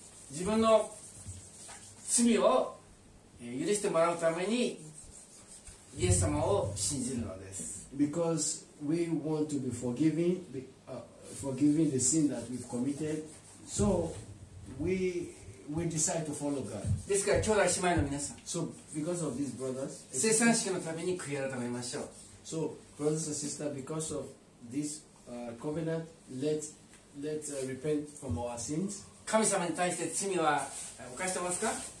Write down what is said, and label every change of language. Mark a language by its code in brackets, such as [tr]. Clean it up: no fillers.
[ja] 自分の罪を許してもらうためにイエス様を信じるのです。 [en] Because we want to be forgiven, forgiving the sin that we've committed, so we decide to follow God. [ja] ですから兄弟姉妹の皆さん、 [en] So because of these brothers, [ja] 聖餐式のために悔い改めましょう。 [en] So brothers and sisters, because of this. Covenant, let's repent from our sins. [ja] 神様に対して罪は犯してますか？